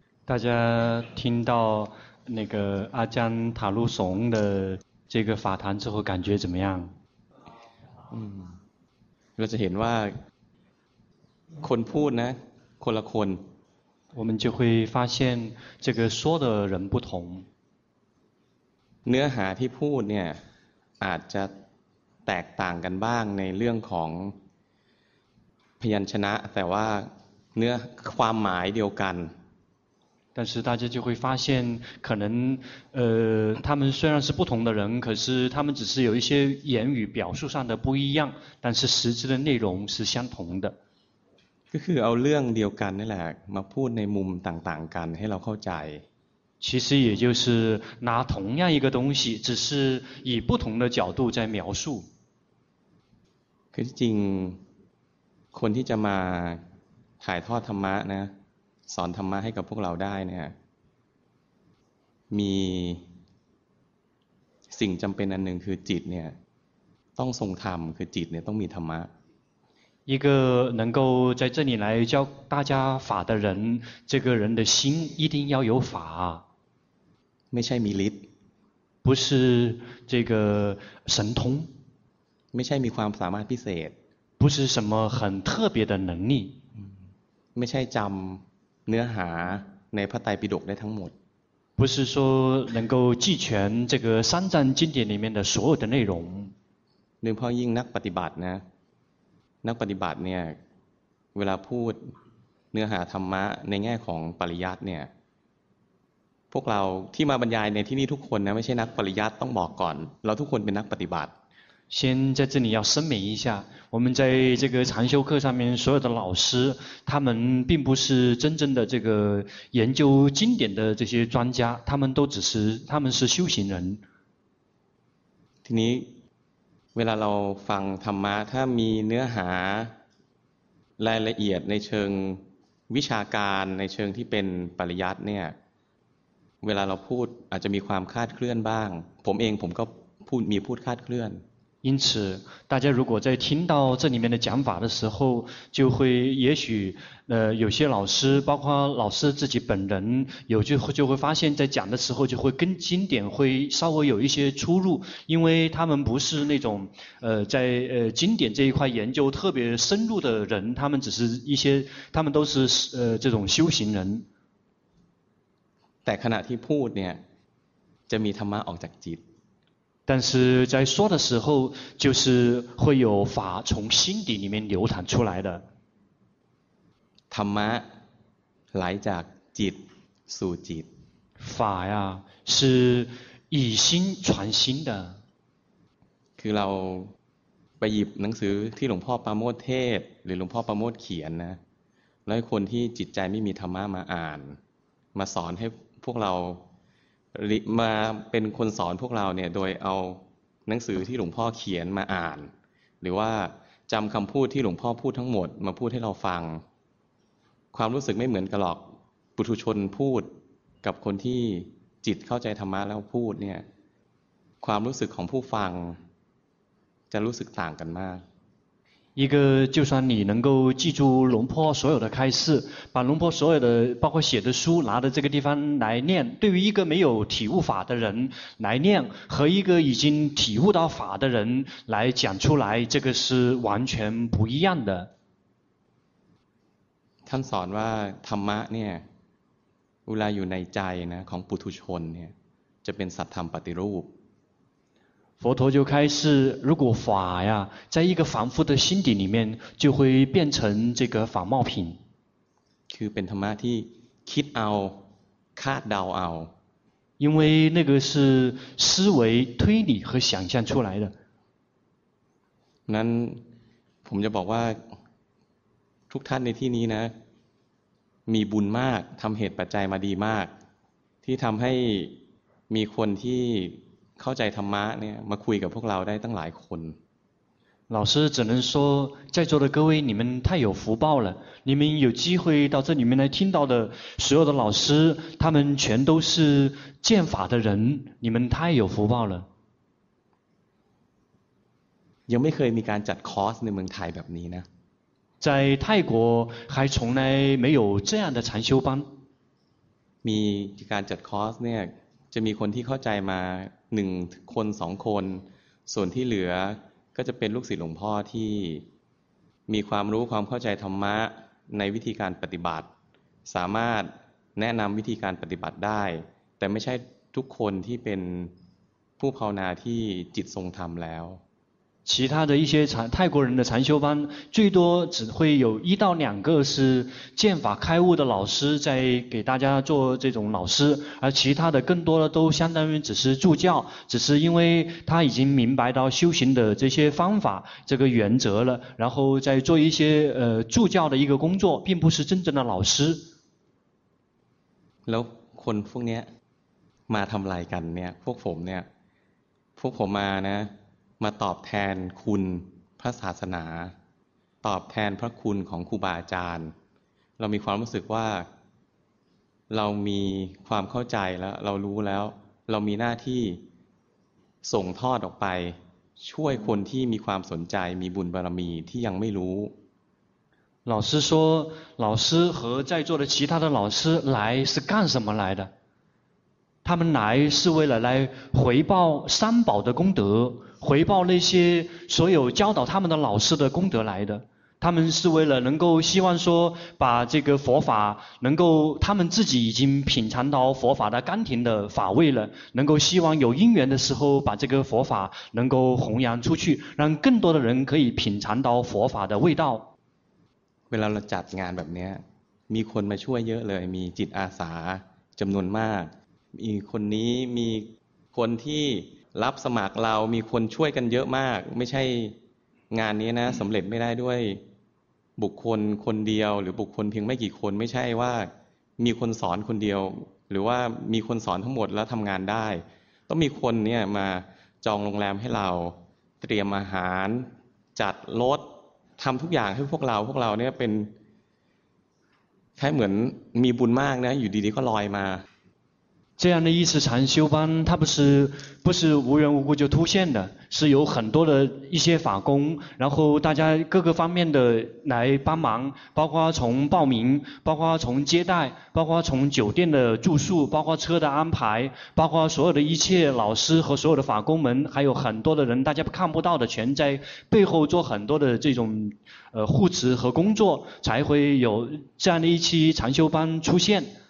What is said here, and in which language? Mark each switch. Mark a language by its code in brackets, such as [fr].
[zh] 大家听到那个阿江塔鲁松的这个法谈之后感觉怎么样 [th] เราจะเห็นว่าคนพูดนะคนละคน [zh] 我们就会发现这个说的人不同 [th] เนื้อหาที่พูดเนี่ยอาจจะแตกต่างกันบ้างในเรื่องของพยัญชนะแต่ว่าเนื้อความหมายเดียวกัน [zh] 但是大家就会发现可能他们虽然是不同的人可是他们只是有一些言语表述上的不一样但是实质的内容是相同的 [th] ก็คือเอาเรื่องเดียวกันนี่แหละมาพูดในมุมต่างๆกันให้เราเข้าใจ [zh] 其实也就是拿同样一个东西只是以不同的角度在描述 [th] คือจริงคนที่จะมาถ่ายทอดธรรมะนะสอนธรรมะให้กับพวกเราได้เนี่ยมีสิ่งจำเป็นอันหนึ่งคือจิตเนี่ยต้องทรงธรรมคือจิตเนี่ยต้องมีธรรมะ [zh] 一个能够在这里来教大家法的人这个人的心一定要有法 [th] ไม่ใช่มีฤทธิ์ [zh] 不是这个神通 [th] ไม่ใช่มีความสามารถพิเศษ [zh] 不是什么很特别的能力 [th] ไม่ใช่จำเนื้อหาในพระไตรปิฎกได้ทั้งหมด [zh] 不是说能够记全这个三藏经典里面的所有的内容 [th] หรือพอยิ่งนักปฏิบัตินะนักปฏิบัติเนี่ยเวลาพูดเนื้อหาธรรมะในแง่ของปริยัติเนี่ยพวกเราที่มาบรรยายในที่นี่ทุกคนนะไม่ใช่นักปริยัติต้องบอกก่อนเราทุกคนเป็นนักปฏิบัติ [zh] 先在这里要声明一下我们在这个禅修课上面所有的老师他们并不是真正的这个研究经典的这些专家他们都只是他们是修行人 [th] ทีนี้เวลาเราฟังธรรมะถ้ามีเนื้อหารายละเอียดในเชิงวิชาการในเชิงที่เป็นปริยัติเนี่ยเวลาเราพูดอาจจะมีความคาดเคลื่อนบ้างผมเองผมก็พูดมีพูดคาดเคลื่อน [zh] 因此大家如果在听到这里面的讲法的时候就会也许有些老师包括老师自己本人有就会发现在讲的时候就会跟经典会稍微有一些出入因为他们不是那种在经典这一块研究特别深入的人他们只是一些他们都是这种修行人 [th] แต่ขณะที่พูดเนี่ยจะมีธรรมะออกจากจิต [zh] 但是在说的时候就是会有法从心底里面流淌出来的 [th] ธรรมะไหลจากจิตสู่จิต [zh] 法呀是以心传心的 [th] คือเราไปหยิบหนังสือที่หลวงพ่อปราโมทเทศหรือหลวงพ่อปราโมทเขียนนะแล้วให้คนที่จิตใจไม่มีธรรมะมาอ่านมาสอนให้พวกเรา มาเป็นคนสอนพวกเราเนี่ยโดยเอาหนังสือที่หลวงพ่อเขียนมาอ่านหรือว่าจำคำพูดที่หลวงพ่อพูดทั้งหมดมาพูดให้เราฟังความรู้สึกไม่เหมือนกันหรอกปุถุชนพูดกับคนที่จิตเข้าใจธรรมะแล้วพูดเนี่ยความรู้สึกของผู้ฟังจะรู้สึกต่างกันมาก [zh] 一个就算你能够记住龙坡所有的开示把龙坡所有的包括写的书拿到这个地方来念对于一个没有体悟法的人来念和一个已经体悟到法的人来讲出来这个是完全不一样的 [th] ท่านสอนว่าธรรมะเนี่ยเวลาอยู่ในใจนะของปุถุชนเนี่ยจะเป็นสัทธรรมปฏิรูป [zh] 佛陀就开示如果法呀在一个凡夫的心底里面就会变成这个法冒品 [th] คือเป็นธรรมะที่คิดเอาคาดเดาเอา [zh] 因为那个是思维推理和想象出来的 [th] นั้นผมจะบอกว่าทุกท่านในที่นี้นะมีบุญมากทำเหตุปัจจัยมาดีมากที่ทำให้มีคนที่เข้าใจธรรมะเนี่ยมาคุยกับพวกเราได้ตั้งหลายคน [zh] 老师只能说在座的各位你们太有福报了你们有机会到这里面来听到的所有的老师他们全都是见法的人你们太有福报了 [th] ยังไม่เคยมีการจัดคอร์สในเมืองไทยแบบนี้นะ [zh] 在泰国还从来没有这样的禅修班。 [th] มีการจัดคอร์สเนี่ยจะมีคนที่เข้าใจมา1คน2คนส่วนที่เหลือก็จะเป็นลูกศิษย์หลวงพ่อที่มีความรู้ความเข้าใจธรรมะในวิธีการปฏิบัติสามารถแนะนำวิธีการปฏิบัติได้แต่ไม่ใช่ทุกคนที่เป็นผู้ภาวนาที่จิตทรงธรรมแล้ว [zh] 其他的一些泰国人的禅修班最多只会有一到两个是剑法开悟的老师在给大家做这种老师而其他的更多的都相当于只是助教只是因为他已经明白到修行的这些方法这个原则了然后再做一些助教的一个工作并不是真正的老师 [th] แล้วคนพวกนี้มาทำอะไรกันเนี่ยพวกผมเนี่ยพวกผมมานะมาตอบแทนคุณพระศาสนาตอบแทนพระคุณของครูบาอาจารย์เรามีความรู้สึกว่าเรามีความเข้าใจแล้วเรารู้แล้วเรามีหน้าที่ส่งทอดออกไปช่วยคนที่มีความสนใจมีบุญบารมีที่ยังไม่รู้ [zh] 老师说老师和在座的其他的老师来是干什么来的他们来是为了来回报三宝的功德回报那些所有教导他们的老师的功德来的他们是为了能够希望说把这个佛法能够他们自己已经品尝到佛法的甘甜的法味了能够希望有因缘的时候把这个佛法能够弘扬出去让更多的人可以品尝到佛法的味道 [th] เวลาเราจัดงานแบบนี้มีคนมาช่วยเยอะเลยมีจิตอาสาจำนวนมากมีคนนี้มีคนที่รับสมัครเรามีคนช่วยกันเยอะมากไม่ใช่งานนี้นะสำเร็จไม่ได้ด้วย บุคคลคนเดียวหรือบุคคลเพียงไม่กี่คนไม่ใช่ว่ามีคนสอนคนเดียวหรือว่ามีคนสอนทั้งหมดแล้วทำงานได้ต้องมีคนเนี่ยมาจองโรงแรมให้เราเตรียมอาหารจัดรถทำทุกอย่างให้พวกเราเนี่ยเป็นคล้ายเหมือนมีบุญมากนะอยู่ดีๆก็ลอยมา [zh] 这样的一次禅修班它不是无缘无故就出现的是有很多的一些法工然后大家各个方面的来帮忙包括从报名包括从接待包括从酒店的住宿包括车的安排包括所有的一切老师和所有的法工们还有很多的人大家看不到的全在背后做很多的这种护持和工作才会有这样的一期禅修班出现